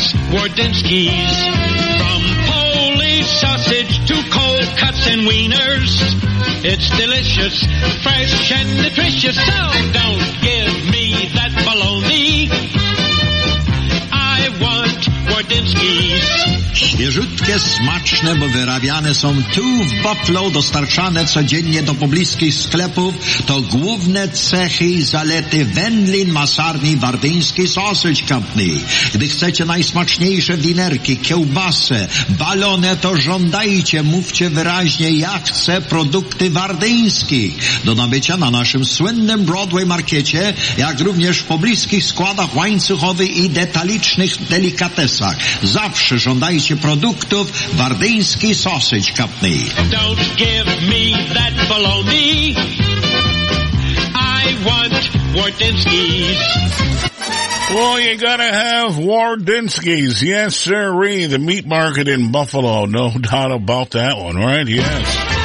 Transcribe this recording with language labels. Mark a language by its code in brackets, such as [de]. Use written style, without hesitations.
[en] Wardensky's, from Polish sausage to cold cuts and wieners, it's delicious, fresh and nutritious. So don't give me that bologna. I want Wardensky's. [pl] Świeżutkie, smaczne, bo wyrabiane są tu w Buffalo, dostarczane codziennie do pobliskich sklepów. To główne cechy i zalety Wendlin Masarni Wardyński Sausage Company. Gdy chcecie najsmaczniejsze winerki, kiełbasę, balone, to żądajcie, mówcie wyraźnie, ja chcę produkty Wardyński. Do nabycia na naszym słynnym Broadway Markiecie, jak również w pobliskich składach łańcuchowych i detalicznych delikatesach. Zawsze żądajcie produktów Wardyński Sausage Company. [en] Don't give me that bologna. I want Wardyński's. Well, you gotta have Wardyński's. Yes, sirree. The meat market in Buffalo. No doubt about that one, right? Yes.